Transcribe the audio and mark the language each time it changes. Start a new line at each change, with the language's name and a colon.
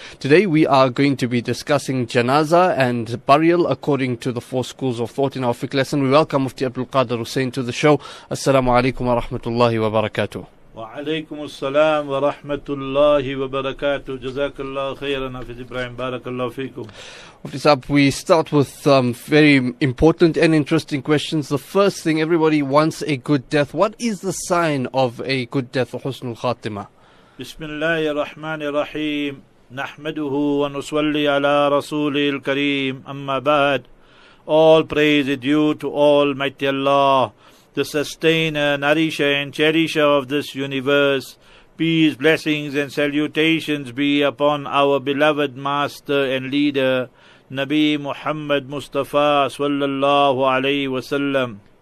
English: Today we are going to be discussing Janazah and burial according to the four schools of thought in our Fiqh lesson. We welcome Mufti Abdul Qadir Hussein to the show.
Arabic: السلام عليكم ورحمة الله وبركاته. وعليكم السلام ورحمة الله وبركاته جزاك الله خيرا حفظ إبراهيم بارك الله فيكم.
English: We start with very important and interesting questions. The first thing, everybody wants a good death. What is the sign of a good death,
Arabic: حسن الخاتمة؟ بسم الله الرحمن الرحيم نحمده ونصلي على رسوله الكريم أما بعد.
English: All praise is due to Almighty Allah, the sustainer, nourisher, and cherisher of this universe. Peace, blessings, and salutations be upon our beloved master and leader, Nabi Muhammad Mustafa sallallahu alayhi wasallam.